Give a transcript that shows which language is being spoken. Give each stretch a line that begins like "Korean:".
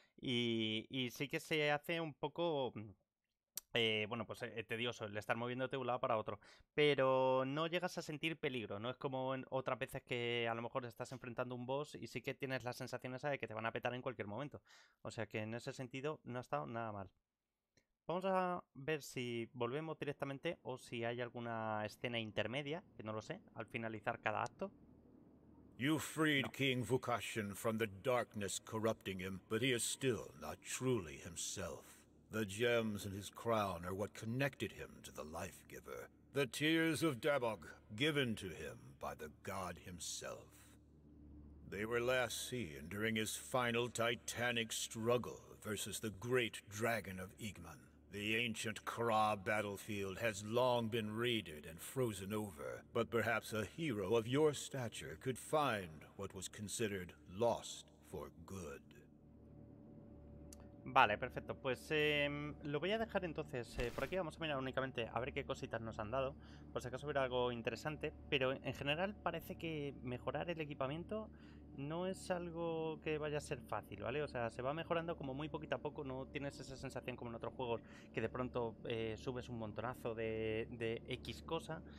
Spanish: Y sí que se hace un poco... bueno, pues tedioso el estar moviéndote de un lado para otro, pero no llegas a sentir peligro, no es como en otras veces que a lo mejor estás enfrentando un boss y sí que tienes la sensación esa de que te van a petar en cualquier momento, o sea que en ese sentido no ha estado nada mal. Vamos a ver si volvemos directamente o si hay alguna escena intermedia, que no lo sé, al finalizar cada acto.
English: You freed King Vukashin from the darkness corrupting him, but he is still not truly himself. The gems in his crown are what connected him to the Life Giver. The tears of Dabor, given to him by the god himself. They were last seen during his final titanic struggle versus the great dragon of Igman. The ancient Kraa battlefield has long been raided and frozen over, but perhaps a hero of your stature could find what was considered lost for good.
Spanish: Vale, perfecto. Pues lo voy a dejar entonces por aquí. Vamos a mirar únicamente a ver qué cositas nos han dado. Por si acaso hubiera algo interesante. Pero en general parece que mejorar el equipamiento no es algo que vaya a ser fácil, ¿vale? O sea, se va mejorando como muy poquito a poco. No tienes esa sensación como en otros juegos que de pronto subes un montonazo de X cosa.